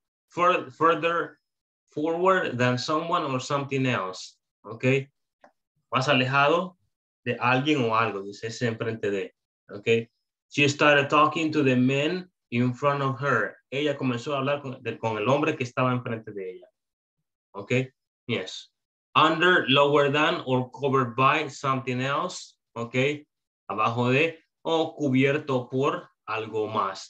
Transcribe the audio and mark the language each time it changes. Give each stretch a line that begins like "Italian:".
English: Further forward than someone or something else.
Spanish: Ok, más alejado de alguien o algo, dice es enfrente de.
English: Ok, she started talking to the men in front of her.
Spanish: Ella comenzó a hablar con el hombre que estaba enfrente de ella.
English: Okay, yes. Under, lower than, or covered by something else.
Spanish: Okay, abajo de, o cubierto por algo más.